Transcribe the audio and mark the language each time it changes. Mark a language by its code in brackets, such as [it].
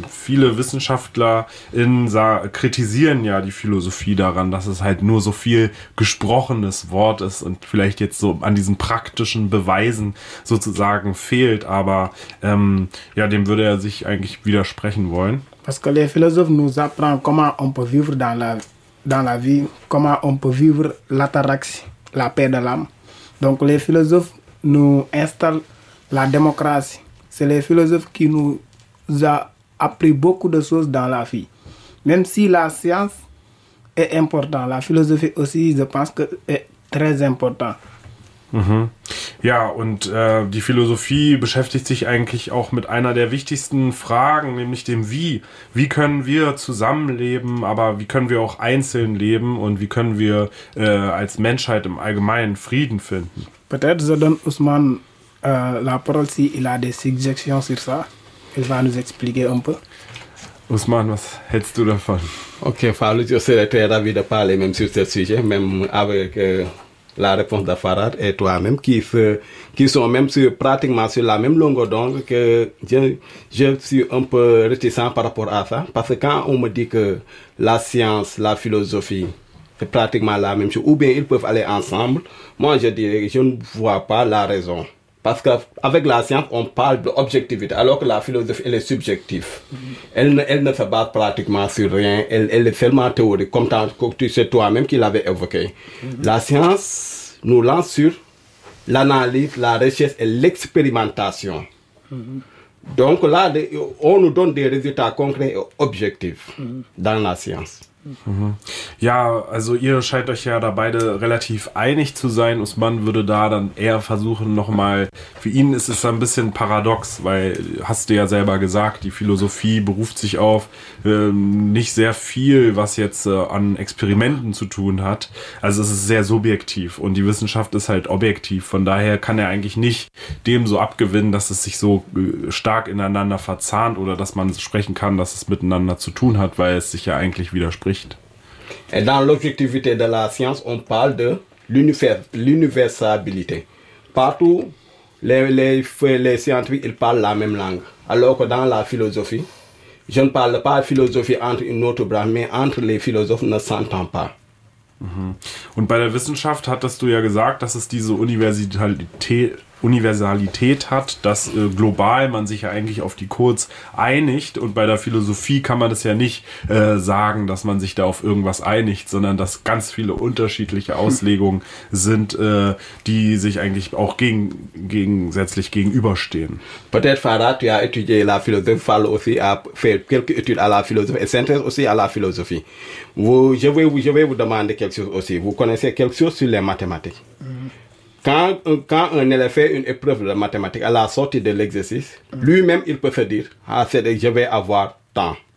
[de] Viele WissenschaftlerInnen kritisieren ja die Philosophie daran, dass es halt nur so viel gesprochenes Wort ist und vielleicht jetzt so an diesen praktischen Beweisen sozusagen fehlt. Aber ja, dem würde er sich eigentlich widersprechen wollen. [fr] Parce que les philosophes nous apprennent comment on peut vivre dans la vie, comment on peut vivre l'ataraxie. La paix de l'âme. Donc les philosophes nous installent la démocratie. C'est les philosophes qui nous ont appris beaucoup de choses dans la vie. Même si la science est importante, la philosophie aussi, je pense que est très importante. [de] Ja, und die Philosophie beschäftigt sich eigentlich auch mit einer der wichtigsten Fragen, nämlich dem Wie. Wie können wir zusammenleben, aber wie können wir auch einzeln leben und wie können wir als Menschheit im Allgemeinen Frieden finden? [fr] Peut-être je donne Usman la parole si il a des suggestions sur ça. Il va nous expliquer un peu. [de] Usman, was hältst du davon? [fr] Okay, Fallu, je serais très ravi de parler même sur ce sujet, même avec... la réponse de Farad et toi-même qui sont même pratiquement sur la même longueur d'onde que je suis un peu réticent par rapport à ça parce que quand on me dit que la science, la philosophie c'est pratiquement la même chose ou bien ils peuvent aller ensemble, moi je dirais que je ne vois pas la raison parce qu'avec la science on parle d'objectivité alors que la philosophie elle est subjective, elle ne se base pratiquement sur rien, elle est seulement théorique comme tu sais toi-même qui l'avais évoqué. La science nous lance sur l'analyse, la recherche et l'expérimentation. Mm-hmm. Donc là, on nous donne des résultats concrets et objectifs mm-hmm. dans la science. Mhm. [de] Ja, also ihr scheint euch ja da beide relativ einig zu sein. Usman würde da dann eher versuchen nochmal, für ihn ist es ein bisschen paradox, weil, hast du ja selber gesagt, die Philosophie beruft sich auf nicht sehr viel, was jetzt an Experimenten zu tun hat. Also es ist sehr subjektiv und die Wissenschaft ist halt objektiv. Von daher kann er eigentlich nicht dem so abgewinnen, dass es sich so stark ineinander verzahnt oder dass man sprechen kann, dass es miteinander zu tun hat, weil es sich ja eigentlich widerspricht. [fr] Et dans l'objectivité de la science, on parle de l'universalité. Partout, les scientifiques ils parlent la même langue. Alors que dans la philosophie, je ne parle pas de philosophie entre une autre branche, mais entre les philosophes ne s'entend pas. [de] Und bei der Wissenschaft hattest du ja gesagt, dass es diese Universalität hat, dass global man sich ja eigentlich auf die Codes einigt und bei der Philosophie kann man das ja nicht sagen, dass man sich da auf irgendwas einigt, sondern dass ganz viele unterschiedliche Auslegungen sind, die sich eigentlich auch gegensätzlich gegenüberstehen. [fr] Peut-être Farad, tu as étudié la philosophie, parle aussi à faire quelques études à la philosophie et s'intéresse aussi à la philosophie. Je vais vous demander quelque chose aussi. Vous connaissez quelque chose sur les mathématiques? Quand un élève fait une épreuve de mathématiques à la sortie de l'exercice, lui-même, il peut se dire, ah, c'est, je vais avoir tant.